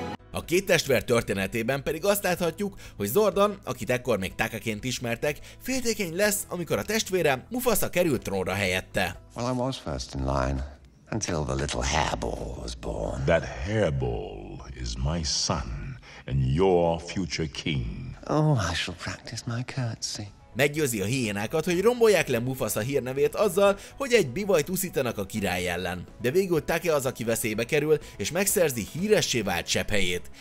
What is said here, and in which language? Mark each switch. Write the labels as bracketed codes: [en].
[hu] A két testvér történetében pedig azt láthatjuk, hogy Zordon, akit ekkor még Takaként ismertek, féltékeny lesz, amikor a testvére Mufasa került trónra helyette. [en] Well, I was first in line until the little hairball was born. That hairball is my son and your future king. Oh, I shall practice my curtsy. [hu] Meggyőzi a hiénákat, hogy rombolják le Mufasa hírnevét azzal, hogy egy bivajt uszítanak a király ellen. De végül Take az, aki veszélybe kerül, és megszerzi híressé vált sepphelyét.